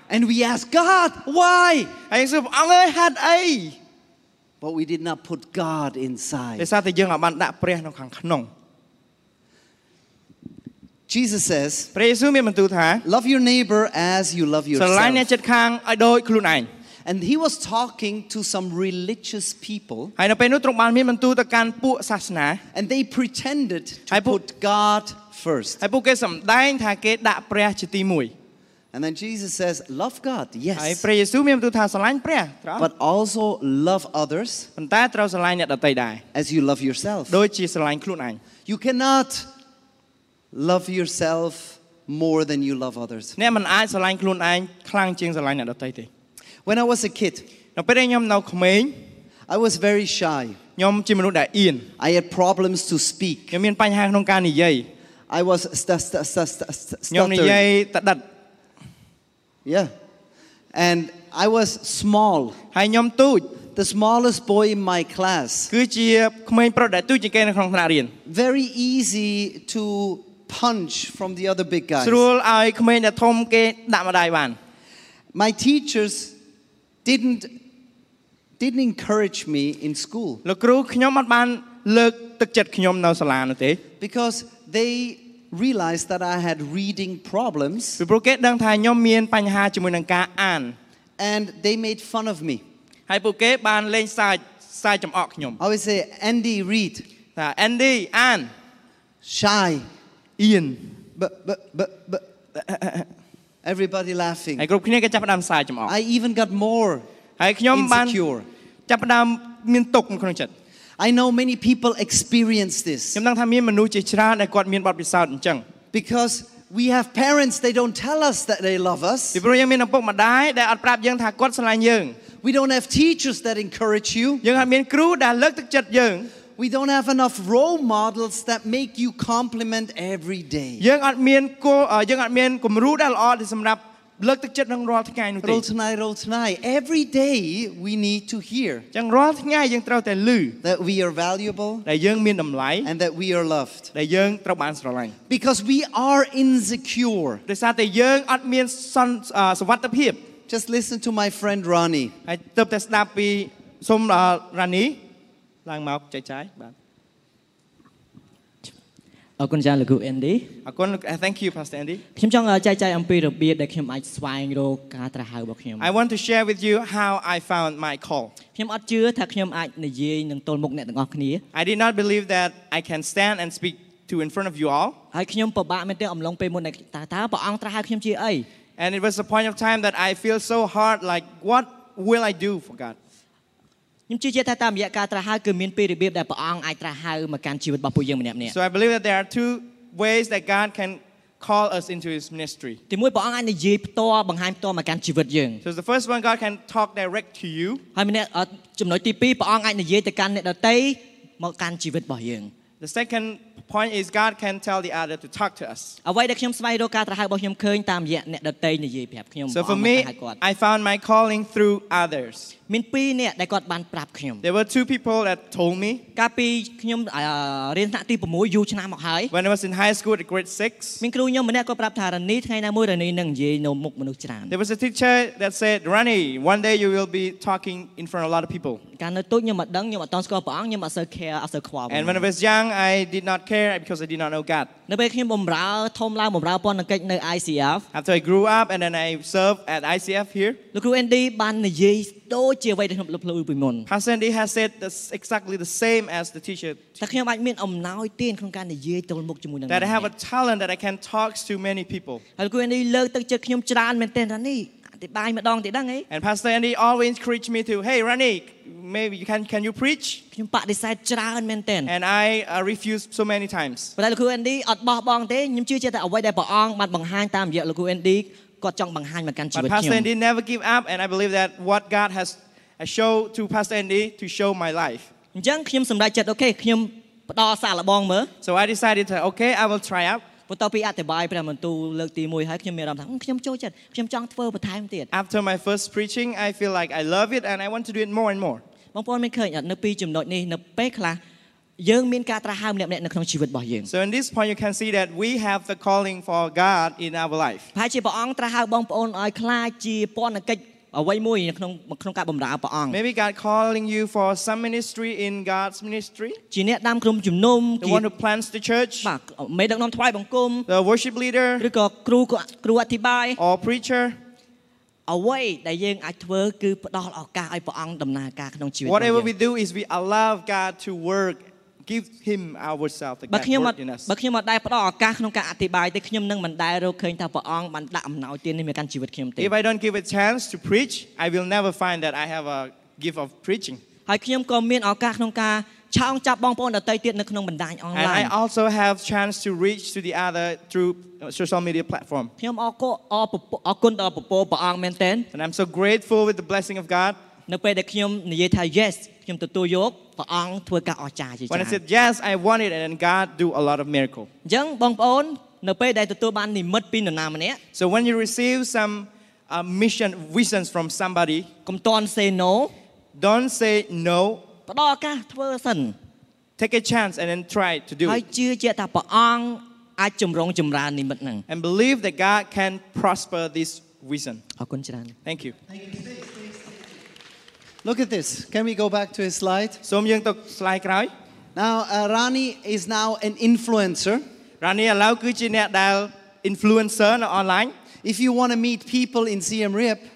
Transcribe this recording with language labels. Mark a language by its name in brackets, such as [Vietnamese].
[English] And we ask God, why? [Khmer] ហើយយើងសួរអង្គហេតុអី [English] But we did not put God inside. [Khmer] ដោយសារតែយើងអត់បានដាក់ព្រះនៅខាងក្នុង [English] Jesus says, [Khmer] ព្រះយេស៊ូវមានបន្ទូលថា [English] Love your neighbor as you love yourself. [Khmer] ស្រឡាញ់អ្នកជិតខាងឲ្យដូចខ្លួនឯង [English] And he was talking to some religious people. [Khmer] ហើយនៅពេលនោះទ្រង់បានមានបន្ទូលទៅកាន់ពួកសាសនា [English] And they pretended to put GodFirst. [Khmer] ហើយពួកគេសម្ដែងថាគេដាក់ព្រះជាទីមួយ [English] And then Jesus says love God. Yes. [Khmer] ហើយព្រះយេស៊ូវមានបន្ទូលថាស្រឡាញ់ព្រះត្រ [English] ង់ But also love others. [Khmer] ប៉ុន្តែត្រូវស្រឡាញ់អ្នកដទៃដែរ [English] As you love yourself. [Khmer] ដូចជាស្រឡាញ់ខ្លួនឯង [English] You cannot love yourself more than you love others. [Khmer] អ្នកមិនអាចស្រឡាញ់ខ្លួនឯងខ្លាំងជាងស្រឡាញ់អ្នកដទៃទេ [English] When I was a kid. [Khmer] នៅពេលខ្ញុំនៅក្មេង [English] I was very shy. [Khmer] ខ្ញុំជាមនុស្សដែលអៀន [English] I had problems to speak. [Khmer] ខ្ញុំមានបញ្ហាក្នុងការនិយាយ [English] I was stuttering. Yeah. And I was small. [Khmer] ហើយខ្ញុំតូច [English] The smallest boy in my class. [Khmer] គឺជាក្មេងប្រុសដែលតូចជាងគេនៅក្នុងថ្នាក់រៀន [English] Very easy to punch from the other big guys. [Khmer] ស្រួលឲ្យក្មេងដែលធំគេដាក់ម្ដាយបាន [English] My teachers didn't encourage me in school. [Khmer] លោកគ្រូខ្ញុំអត់បានលើកទឹកចិត្តខ្ញុំនៅសាលានោះទេ [English] Because they realized that I had reading problems. [Khmer] ពីព្រោះគេដឹងថាខ្ញុំមានបញ្ហាជាមួយនឹងការអាន [English] And they made fun of me. [Khmer] ហើយពួកគេបានលេងសើច ខ្សែចំអកខ្ញុំ [English] I always say Andy read [Khmer] ថា Andy Ann [English] shy Ian but everybody laughing [Khmer] ហើយគ្រប់គ្នាក៏ចាប់ដើមខ្សែចំអក [English] I even got more [Khmer] ហើយខ្ញុំបានចាប់ដើមមានទុកក្នុងចិត្ត [English] I know many people experience this. [Khmer] ខ្ញុំដឹងថាមានមនុស្សជាច្រើនដែលគាត់មានបទពិសោធន៍អញ្ចឹង [English] Because we have parents they don't tell us that they love us. [Khmer] ពីព្រោះយើងមានឪពុកម្ដាយដែលអត់ប្រាប់យើងថាគាត់ស្រឡាញ់យើង [English] We don't have teachers that encourage you. [Khmer] យើងអត់មានគ្រូដែលលើកទឹកចិត្តយើង [English] We don't have enough role models that make you compliment every day. [Khmer] យើងអត់មានគោយើងអត់មានគំរូដែលល្អសម្រាប់លើកទឹកចិត្តនឹងរាល់ថ្ងៃនោះទេ [English] Roll tonight roll tonight every day we need to hear [Khmer] ចឹងរាល់ថ្ងៃយើងត្រូវតែឮ [English] that we are valuable [Khmer] ដែលយើងមានតម្លៃ [English] and that we are loved [Khmer] ដែលយើងត្រូវបានស្រឡាញ់ [English] because we are insecure [Khmer] ដោយសារតែយើងអត់មានសុវត្ថិភាព [English] just listen to my friend Ronnie [Khmer] ហើយទៅតែស្ដាប់ពីសុំរ៉ានីឡើងមកចែកចាយបាទ អរគុណចាលោកអេនឌី អរគុណ [English] thank you Pastor Andy [Khmer] ខ្ញុំចង់ចែកចាយអំពីរបៀបដែលខ្ញុំអាចស្វែងរកការត្រាស់ហៅរបស់ខ្ញុំ [English] I want to share with you how I found my call [Khmer] ខ្ញុំអត់ជឿថាខ្ញុំអាចនិយាយនឹងទល់មុខអ្នកទាំងអស់គ្នា [English] I did not believe that I can stand and speak to in front of you all [Khmer] ហើយខ្ញុំពិបាកមែនទែនអំឡុងពេលមុនតើតើព្រះអង្គត្រាស់ហៅខ្ញុំជាអី [English] And it was a point of time that I feel so hard like what will I do for God [Khmer] ខ្ញុំជឿជាក់ថាតាមរយៈការត្រាស់ហៅគឺមានពីររបៀបដែលព្រះអង្គអាចត្រាស់ហៅមកកាន់ជីវិតរបស់ពួកយើងម្នាក់ម្នាក់ [English] So I believe that there are two ways that God can call us into his ministry [Khmer] ទីមួយព្រះអង្គអាចនិយាយផ្ទាល់បង្ហាញផ្ទាល់មកកាន់ជីវិតយើង [English] So the first one God can talk direct to you [Khmer] ហើយម្នាក់ចំណុចទី2ព្រះអង្គអាចនិយាយទៅកាន់អ្នកដទៃមកកាន់ជីវិតរបស់យើង [English] The second point is God can tell the other to talk to us [Khmer] អ្វីដែលខ្ញុំស្វែងរកការត្រាស់ហៅរបស់ខ្ញុំឃើញតាមរយៈអ្នកដទៃនិយាយប្រាប់ខ្ញុំ [English] So for me I found my calling through others [Khmer] មានពីរអ្នកដែលគាត់បានប្រាប់ខ្ញុំ [English] There were two people that told me [Khmer] កាលពីខ្ញុំរៀនថ្នាក់ទី6យូរឆ្នាំមកហើយ [English] When I was in high school at grade 6 [Khmer] មានគ្រូខ្ញុំម្នាក់គាត់ប្រាប់ថារ៉ានីថ្ងៃណាមួយរ៉ានីនឹងនិយាយនៅមុខមនុស្សច្រើន [English] There was a teacher that said Ronnie one day you will be talking in front of a lot of people [Khmer] កាលនៅតូចខ្ញុំមិនដឹងខ្ញុំអត់ស្គាល់ព្រះអង្គខ្ញុំអត់សូវ care អត់សូវខ្វល់ [English] And when I was young I did not care because I did not know God [Khmer] នៅពេលខ្ញុំបម្រើធំឡើងបម្រើប៉ុនកិច្ចនៅ ICF [English] After I grew up and then I served at ICF here [Khmer] លោកគ្រូ ND បាននិយាយដូចជាអ្វីដែលខ្ញុំលើកឡើងពីមុន [English] Pastor Andy has said that's exactly the same as the teacher [Khmer] តែខ្ញុំអាចមានអំណោយទានក្នុងការនិយាយទល់មុខជាមួយនឹង [English] That I have a talent that I can talk to many people [Khmer] ហើយគូ Andy លើកទឹកចិត្តខ្ញុំច្រើនមែនទែនថានេះអធិប្បាយម្ដងទៀតដឹងអី [English] And Pastor Andy always encourage me to hey Ronnie maybe you can you preach [Khmer] ខ្ញុំបដិសេធច្រើនមែនទែន [English] And I refuse so many times [Khmer] ប៉ុន្តែលោកគូ Andy អត់បោះបង់ទេខ្ញុំជឿជាក់តែអ្វីដែលព្រះអង្គបានបង្ហាញតាមរយៈលោកគូ Andy គាត់ចង់បង្ហាញមកកាន់ជីវិតខ្ញុំ [English] Pastor Andy never give up and I believe that what God has showed to Pastor Andy to show my life [Khmer] អញ្ចឹងខ្ញុំសម្រេចចិត្តអូខេខ្ញុំផ្ដោតសាកល្បងមើល [English] So I decided to okay I will try out [Khmer] បន្ទាប់ពីអធិប្បាយព្រះបន្ទូលលើកទី1ហើយខ្ញុំមានអារម្មណ៍ថាខ្ញុំចូលចិត្តខ្ញុំចង់ធ្វើបន្ថែមទៀត [English] After my first preaching I feel like I love it and I want to do it more and more [Khmer] បងប្អូនមានឃើញនៅពីចំណុចនេះនៅពេលខ្លះយើងមានការត្រាស់ហៅម្នាក់ៗនៅក្នុងជីវិតរបស់យើង [English] So in this point you can see that we have the calling for God in our life [Khmer] ហើយជាព្រះអង្គត្រាស់ហៅបងប្អូនឲ្យក្លាយជាពលអ្នកកិច្ចអ្វីមួយក្នុងការបម្រើព្រះអង្គ [English] Maybe God calling you for some ministry in God's ministry [Khmer] ជាអ្នកដាំក្រុមជំនុំ [English] គេ want to plant the church [Khmer] បាទមេដឹកនាំថ្វាយបង្គំ [English] The worship leader [Khmer] ឬក៏គ្រូអធិប្បាយ [English] Or preacher [Khmer] អ្វីដែលយើងអាចធ្វើគឺផ្ដល់ឱកាសឲ្យព្រះអង្គដំណើរការក្នុងជីវិត របស់យើង [English] Whatever we do is we allow God to workgive him ourselves to God. [Khmer] បើខ្ញុំមកដែរផ្ដល់ឱកាសក្នុងការអធិប្បាយទេខ្ញុំនឹងមិនដែររកឃើញថាព្រះអង្គបានដាក់អំណោយទាននេះមកកាន់ជីវិតខ្ញុំទេ [English] If I don't give a chance to preach, I will never find that I have a gift of preaching. [Khmer] ហើយខ្ញុំក៏មានឱកាសក្នុងការឆោងចាប់បងប្អូនដទៃទៀតនៅក្នុងបណ្ដាញអនឡាញ [English] And I also have chance to reach to the other through social media platform. [Khmer] ខ្ញុំអរគុណដល់ពពកព្រះអង្គមែនទែន [English] And I'm so grateful with the blessing of God. [Khmer] នៅពេលដែលខ្ញុំនិយាយថា yes ខ្ញុំទទួលយកព្រះអង្គធ្វើការអស្ចារ្យជាច្រើន [English] When I said yes I want it and then God do a lot of miracle [Khmer] អញ្ចឹងបងប្អូននៅពេលដែលទទួលបាននិមិត្តពីនរណាម្នាក់ [English] So when you receive some mission visions from somebody [Khmer] កុំទាន់ [English] say no Don't say no [Khmer] ផ្ដល់ឱកាសធ្វើសិន [English] Take a chance and then try to do [Khmer] ហើយជឿជាក់ថាព្រះអង្គអាចចម្រុងចម្រើននិមិត្តហ្នឹង [English] And believe that God can prosper this vision [Khmer] អរគុណច្រើន [English] Thank you Look at this. Can we go back to his slide? [Khmer] សូមយើងទៅ slide ក្រោយ. [English] Now Rani is now an influencer. [Khmer] Rani ឥឡូវគឺជាអ្នកដែល influencer នៅ online. [English] If you want to meet people in Siem Reap,